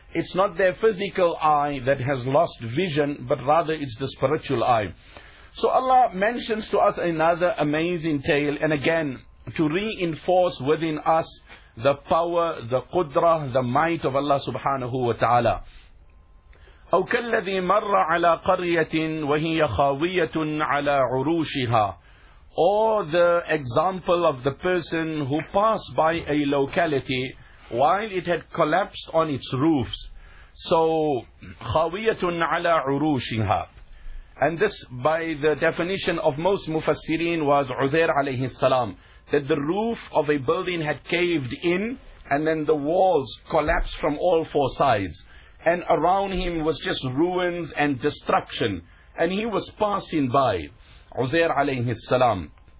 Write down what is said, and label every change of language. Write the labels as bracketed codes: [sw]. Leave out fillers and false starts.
[en] It's not their physical eye that has lost vision, but rather it's the spiritual eye. So Allah mentions to us another amazing tale, and again, to reinforce within us the power, the qudra, the might of Allah subhanahu wa ta'ala. [ar] أو كالذي مر على قرية وهي خاوية على عروشها. [en] Or the example of the person who passed by a locality while it had collapsed on its roofs. [ar] So خاوية على عروشها. [en] And this, by the definition of most mufassirin, was Uzair عليه السلام, that the roof of a building had caved in and then the walls collapsed from all four sides. And around him was just ruins and destruction. And he was passing by, Uzair alayhi salam.